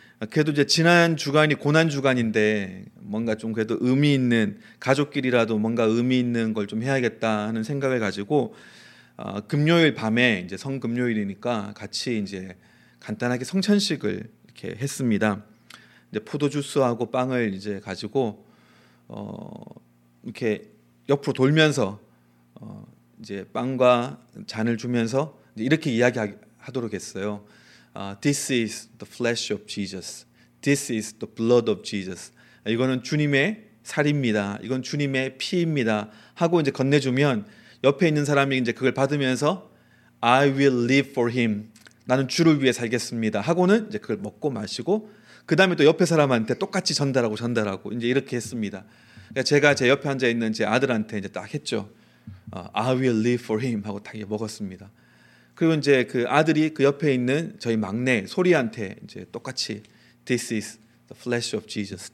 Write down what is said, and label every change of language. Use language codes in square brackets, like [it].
[ko] 그래도 이제 지난 주간이 고난 주간인데 뭔가 좀 그래도 의미 있는 가족끼리라도 뭔가 의미 있는 걸 좀 해야겠다 하는 생각을 가지고 금요일 밤에 이제 성금요일이니까 같이 이제 간단하게 성찬식을 이렇게 했습니다. 이제 포도주스하고 빵을 이제 가지고 이렇게 옆으로 돌면서 이제 빵과 잔을 주면서 이제 이렇게 이야기하도록 했어요. [en] This is the flesh of Jesus. This is the blood of Jesus. [ko] 이거는 주님의 살입니다. 이건 주님의 피입니다. 하고 이제 건네주면 옆에 있는 사람이 이제 그걸 받으면서 [en] I will live for him. [ko] 나는 주를 위해 살겠습니다. 하고는 이제 그걸 먹고 마시고 그 다음에 또 옆에 사람한테 똑같이 전달하고 이제 이렇게 했습니다. 제가 제 옆에 앉아 있는 제 아들한테 이제 딱 했죠. [en] I will live for him [ko] 하고 딱 먹었습니다. 그리고 이제 그 아들이 그 옆에 있는 저희 막내 소리한테 이제 똑같이 [en] This is the flesh of Jesus.